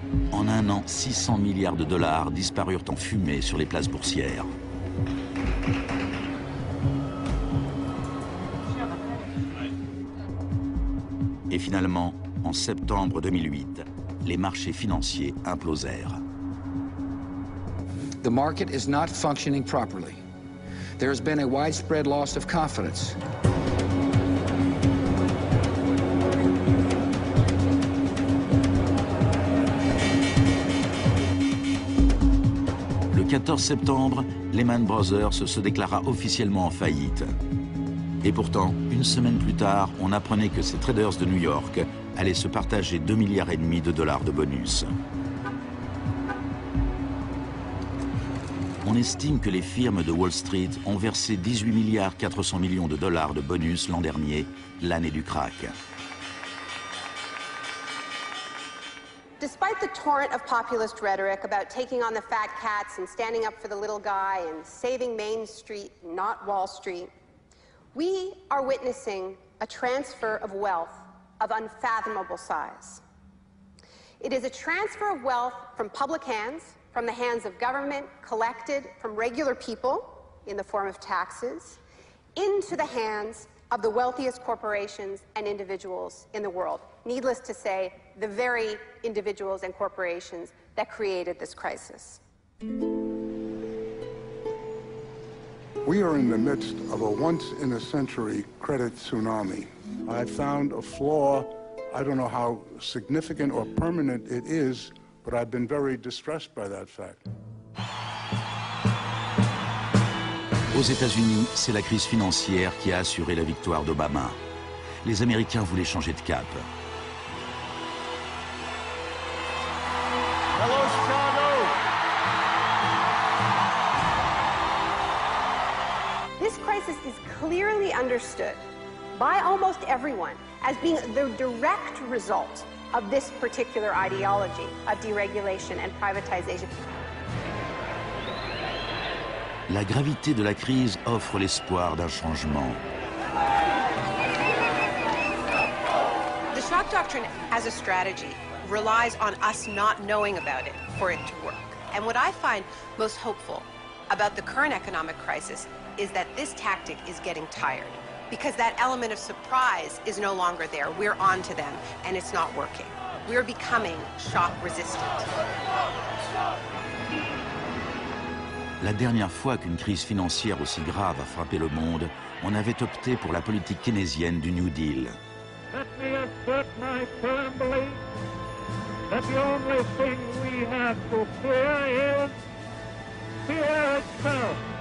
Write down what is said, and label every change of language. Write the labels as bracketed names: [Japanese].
[French] En un an, 600 milliards de dollars disparurent en fumée sur les places boursières. Et finalement, en septembre 2008, les marchés financiers implosèrent. [English] The market is not functioning properly. There has been a widespread loss of confidence. [French] Le 14 septembre, Lehman Brothers se déclara officiellement en faillite. Et pourtant, une semaine plus tard, on apprenait que ces traders de New York allaient se partager 2,5 milliards de dollars de bonus. On estime que les firmes de Wall Street ont versé 18,4 milliards de dollars de bonus l'an dernier, l'année du crack. [English] Despite the torrent of populist rhetoric about taking on the fat cats and standing up for the little guy and saving Main Street, not Wall Street, we are witnessing a transfer of wealth of unfathomable size. It is a transfer of wealth from public hands, from the hands of government, collected from regular people in the form of taxes, into the hands of the wealthiest corporations and individuals in the world. Needless to say, the very individuals and corporations that created this crisis. We are in the midst of a once-in-a-century credit tsunami. I found a flaw. I don't know how significant or permanent it is, but I've been very distressed by that fact. [French] Aux États-Unis, c'est la crise financière qui a assuré la victoire d'Obama. Les Américains voulaient changer de cap. [English] Hello, Chicago. This crisis is clearly understood by almost everyone as being the direct result of this particular ideology of deregulation and privatization. [French] La gravité de la crise offre l'espoir d'un changement. [English] The shock doctrine as a strategy relies on us not knowing about it for it to work. And what I find most hopeful about the current economic crisis is that this tactic is getting tired because that element of surprise is no longer there. We're on to them and it's not working. We are becoming shock resistant. [French] La dernière fois qu'une crise financière aussi grave a frappé le monde, on avait opté pour la politique keynésienne du New Deal. [English] Let me assert my firm belief that the only thing we have to fear is fear itself.